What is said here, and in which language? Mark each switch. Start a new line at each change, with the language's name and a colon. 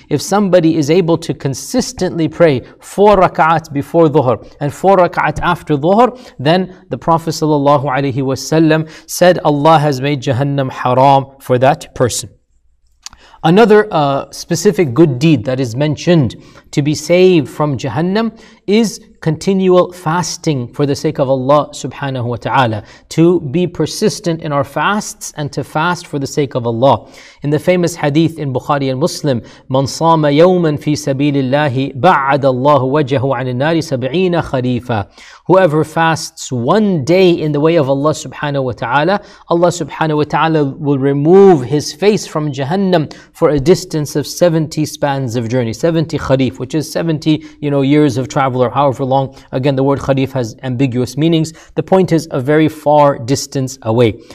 English: If somebody is able to consistently pray four raka'at before Dhuhr and four raka'at after Dhuhr, then the Prophet sallallahu alaihi wasallam said Allah has made Jahannam haram for that person. Another specific good deed that is mentioned to be saved from Jahannam is continual fasting for the sake of Allah subhanahu wa ta'ala. To be persistent in our fasts and to fast for the sake of Allah. In the famous hadith in Bukhari and Muslim,
Arabic: مَنْ صَامَ يَوْمًا فِي سَبِيلِ اللَّهِ بَعَدَ اللَّهُ وَجَهُ عَنِ النَّارِ سَبْعِينَ خَرِيفًا.
English: Whoever fasts one day in the way of Allah subhanahu wa ta'ala, Allah subhanahu wa ta'ala will remove his face from Jahannam for a distance of 70 spans of journey, 70 kharif, which is 70, you know, years of travel or however long. Again, the word kharif has ambiguous meanings. The point is a very far distance away.